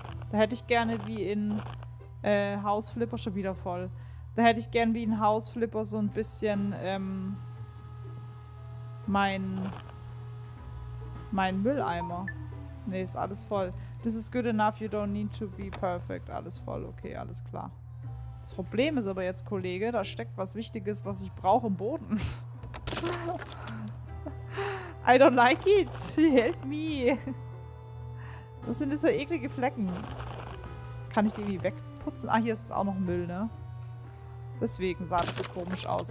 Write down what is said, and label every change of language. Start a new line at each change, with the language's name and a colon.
German: Da hätte ich gerne wie in House Flipper schon wieder voll. Da hätte ich gerne wie in House Flipper so ein bisschen mein Mülleimer. Nee, ist alles voll.
English: This is good enough, you don't need to be perfect.
German: Alles voll, okay, alles klar. Das Problem ist aber jetzt, Kollege, da steckt was Wichtiges, was ich brauche, im Boden.
English: I don't like it. Help me.
German: Was sind das für eklige Flecken? Kann ich die irgendwie wegputzen? Ah, hier ist auch noch Müll, ne? Deswegen sah es so komisch aus.